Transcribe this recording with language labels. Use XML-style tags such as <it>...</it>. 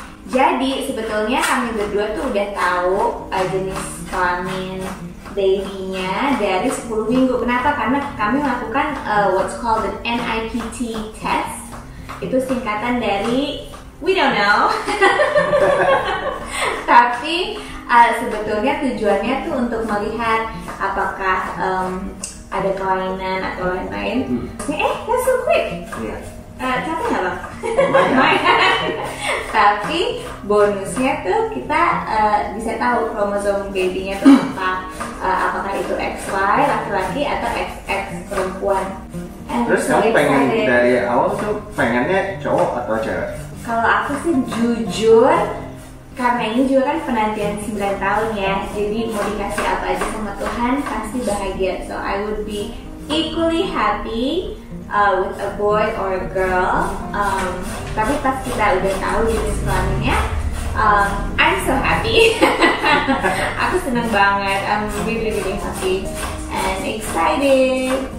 <id>Jadi sebetulnya kami berdua tuh udah tahu jenis kelamin baby-nya dari 10 minggu. Kenapa? Karena kami melakukan</id> <en>what's called an NIPT test.</en> <id>Itu singkatan dari</id> <en>we don't know.</en> <id>Tapi sebetulnya tujuannya tuh untuk melihat apakah ada kelainan atau lain-lain.</id> <en>That's so quick.</en> <id>Capek gak bang? Lumayan. Tapi bonusnya tuh kita bisa tahu kromosom baby-nya tuh apa. Apakah itu XY laki-laki atau XX perempuan. Terus kamu pengen dari awal tuh pengennya cowok atau cewek? Kalau aku sih jujur, karena ini juga kan penantian 9 tahun ya, jadi mau dikasih apa aja sama Tuhan pasti bahagia.</id> <en>So I would be equally happy with a boy or a girl.</en> <id>Tapi pas kita udah tahu jenis kelaminnya,</id> <en>I'm so happy.</en> <id>Aku seneng banget.</id> <en>I'm really happy and excited.</en>